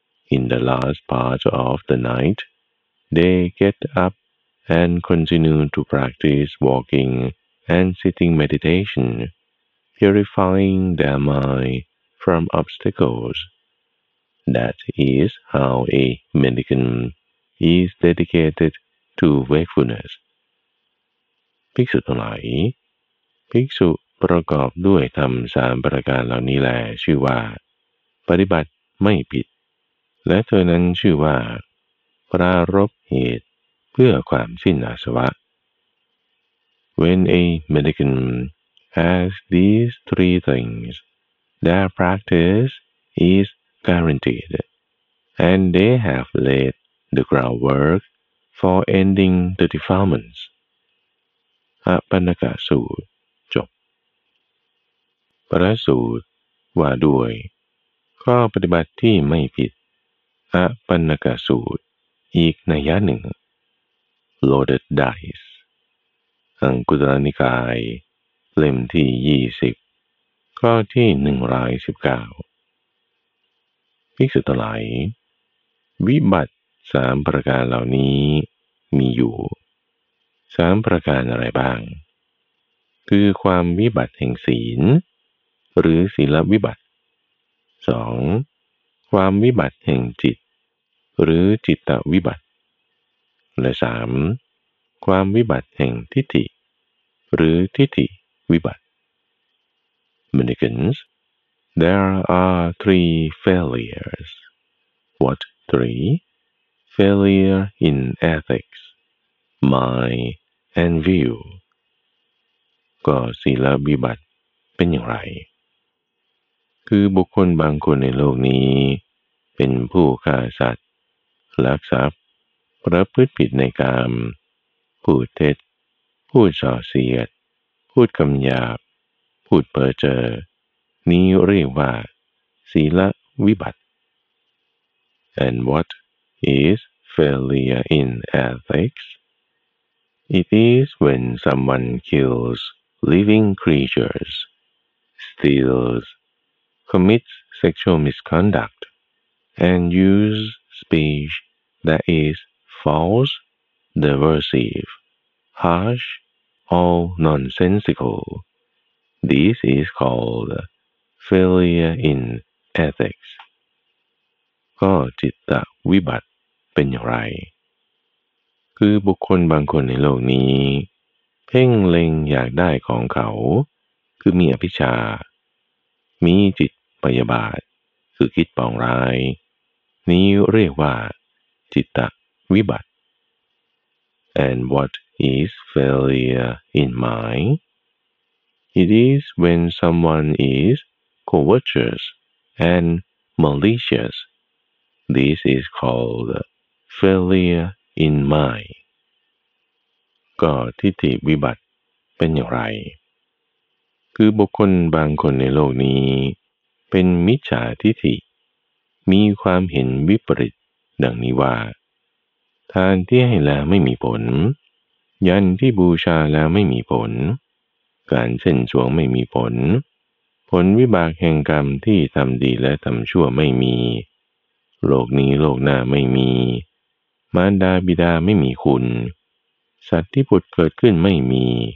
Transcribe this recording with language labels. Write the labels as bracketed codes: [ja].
[en] In the last part of the night, they get up and continue to practice walking and sitting meditation, purifying their mind from obstacles. That is how a mendicant is dedicated to wakefulness. [th] ภิกษุทั้งหลายภิกษุประกอบด้วยธรรมสามประการเหล่านี้แลชื่อว่าปฏิบัติไม่ผิดและเธอนั้นชื่อว่าปรารภเหตุเพื่อความสิ้นอาสวะ [en] When a mendicant has these three things, their practice is guaranteed. and they have laid the groundwork for ending the defilements. [th] พระปัณณกสูตรจบพระสูตรว่าด้วยข้อปฏิบัติที่ไม่ผิดอะปัณณกสูตรอีกนัยยะหนึ่ง Loaded Dice อังคุตตรนิกายเล่มที่20ข้อที่119ภิกษุทั้งหลายวิบัติ3ประการเหล่านี้มีอยู่3ประการอะไรบ้างคือความวิบัติแห่งศีลหรือศีลวิบัติ 2. ความวิบัติแห่งจิตหรือจิตตวิบัติและ 3. ความวิบัติแห่งทิฏฐิหรือทิฏฐิวิบัติ [en] Mendicants, there are three failures. What three? Failure in ethics, mind, and view. [th] ก็ศีลวิบัติเป็นอย่างไรคือบุคคลบางคนในโลกนี้เป็นผู้ฆ่าสัตว์ลักทรัพย์ประพฤติผิดในกามพูดเท็จพูดส่อเสียดพูดคำหยาบพูดเพ้อเจ้อนี้เรียกว่าศีลวิบัติ [en] And what is failure in ethics? It is when someone kills living creatures, stealsCommits sexual misconduct and use speech that is false, divisive, harsh, or nonsensical. This is called failure in ethics. [th] ก็จิตวิบัติเป็นอย่างไรคือบุคคลบางคนในโลกนี้เพ่งเล็งอยากได้ของเขาคือมีอภิชฌามีจิตพยาบาทคือคิดปองร้ายนี้เรียกว่าจิตตวิบัติ [en] And what is failure in mind? It is when someone is covetous and malicious. This is called failure in mind. [th] ก็ทิฏฐิวิบัติเป็นอย่างไรคือบุคคลบางคนในโลกนี้เป็นมิจฉาทิฏฐิมีความเห็นวิปริตดังนี้ว่า ทานที่ให้แล้วไม่มีผลยันที่บูชาแล้วไม่มีผลการเช่นชวงไม่มีผลผลวิบากแห่งกรรมที่ทำดีและทำชั่วไม่มีโลกนี้โลกหน้าไม่มีมารดาบิดาไม่มีคุณสัตว์ที่ผุดเกิดขึ้นไม่มี